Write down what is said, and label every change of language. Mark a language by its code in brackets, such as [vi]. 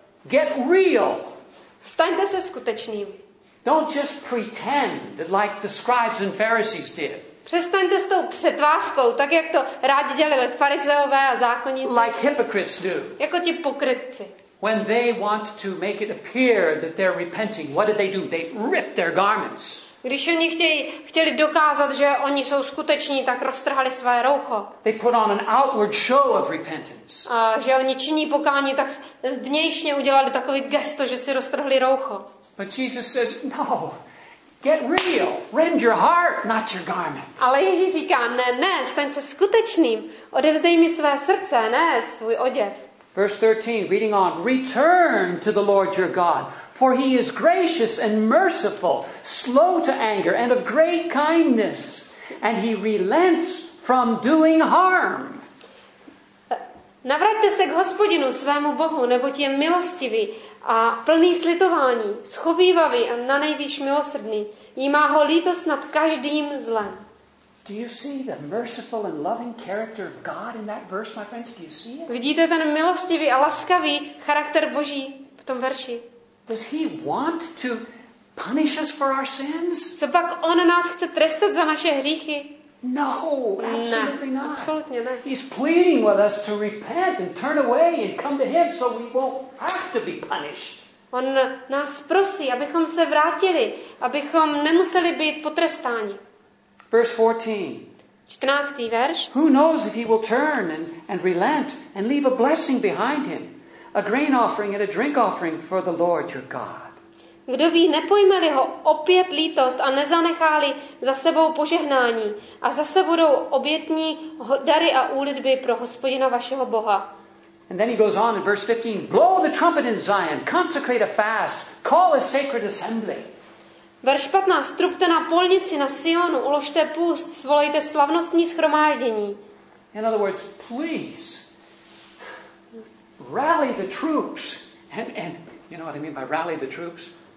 [en] Get real. [cs] Staňte se skutečným. [en] Don't just pretend that like the scribes and Pharisees did. [cs] Přestaňte s tou přetvářkou, tak jak to rádi dělali farizeové a zákonníci. [en] Like hypocrites do. [cs] Jako ti pokrytci. [en] When they want to make it appear that they're repenting, what do? They rip their garments. [cs] Když oni chtěli dokázat, že oni jsou skuteční, tak roztrhali své roucho. [en] They put on an outward show of repentance. [cs] A že oni činí pokání, tak vnějšně udělali takový gesto, že si roztrhli roucho. [en] But Jesus says, no, get real, rend your heart, not your garment. [cs] Ale Ježíš říká, ne, staň se skutečným, odevzdej mi své srdce, ne svůj oděv. [en] Verse 13, reading on, return to the Lord your God, for he is gracious and merciful, slow to anger and of great kindness, and he relents from doing harm. [cs] Navraťte se k Hospodinu svému Bohu, neboť je milostivý a plný slitování, schovývavý a nanejvýš milosrdný, jímá ho lítost nad každým zlem. [en] Do you see the merciful and loving character of God in that verse, my friends? Do you see it? [cs] Vidíte ten milostivý a laskavý charakter Boží v tom verši? [en] Does he want to punish us for our sins? [cs] Co pak on nás chce trestat za naše hříchy? [en] No, absolutely not. [cs] Absolutně ne. [en] He's pleading with us to repent and turn away and come to him so we won't have to be punished. [cs] On nás prosí, abychom se vrátili, abychom nemuseli být potrestáni. [en] Verse 14. [cs] 14. verš. [en] Who knows if he will turn and relent and leave a blessing behind him, a grain offering and a drink offering for the Lord your God. [cs] Kdo ví, nepojme-li ho opět lítost a nezanechá-li za sebou požehnání a zase budou obětní dary a úlitby pro Hospodina vašeho Boha. [en] And then he goes on in verse 15. Blow the trumpet in Zion, consecrate a fast, call a sacred assembly. [cs] Verš 15. Strupte na polnici na Sionu, uložte půst, svolejte slavnostní shromáždění. [en] In other words, please rally the troops and you know what I mean by rally the troops?